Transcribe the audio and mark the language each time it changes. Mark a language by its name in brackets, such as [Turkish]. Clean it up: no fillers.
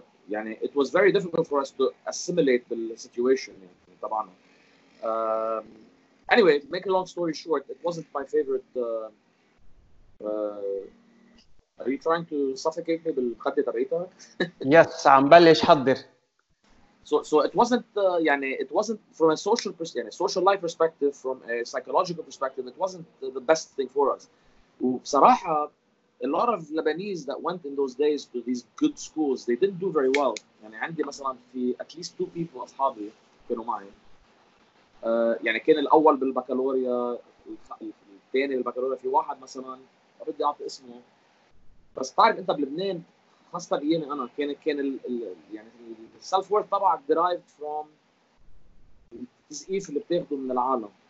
[English] يعني it was very difficult for us to assimilate the situation يعني طبعا anyway to make a long story short it wasn't my favorite are you trying to suffocate me [Arabic] بالخطه تبعيتها yes عم بلش حضر [English] so it wasn't يعني it wasn't from a social perspective يعني social life perspective from a psychological perspective it wasn't the best thing for us وبصراحه a lot of Lebanese that went in those days to these good schools, they didn't do very well. [Arabic] يعني عندي مثلاً في [English] at least two people [Arabic] أصحابي كانوا معي. يعني كان الأول بالبكالوريا، الثاني بالبكالوريا في واحد مثلاً بدي أعطي اسمه. بس تعرف أنت بلبنان خاصة أيامي أنا كان ال يعني self worth طبعاً [English] derived from [Arabic] التزييف اللي بتاخده من العالم.